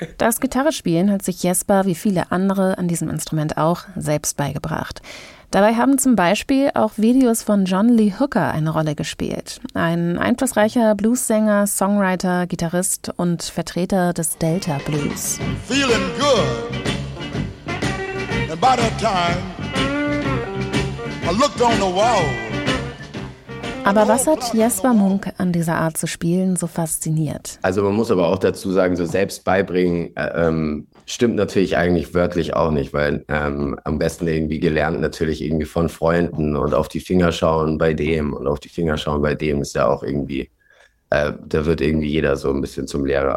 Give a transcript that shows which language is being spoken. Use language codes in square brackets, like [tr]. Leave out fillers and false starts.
[de] Das Gitarrespielen hat sich Jasper wie viele andere an diesem Instrument auch selbst beigebracht. Dabei haben zum Beispiel auch Videos von John Lee Hooker eine Rolle gespielt. Ein einflussreicher Blues-Sänger, Songwriter, Gitarrist und Vertreter des Delta Blues. [en] Feeling good. And by that time, I looked on the wall. [de] Aber was hat Jasper Munk an dieser Art zu spielen so fasziniert? Also man muss aber auch dazu sagen, so selbst beibringen stimmt natürlich eigentlich wörtlich auch nicht, weil am besten irgendwie gelernt natürlich irgendwie von Freunden und auf die Finger schauen bei dem und auf die Finger schauen bei dem ist ja auch irgendwie, da wird irgendwie jeder so ein bisschen zum Lehrer.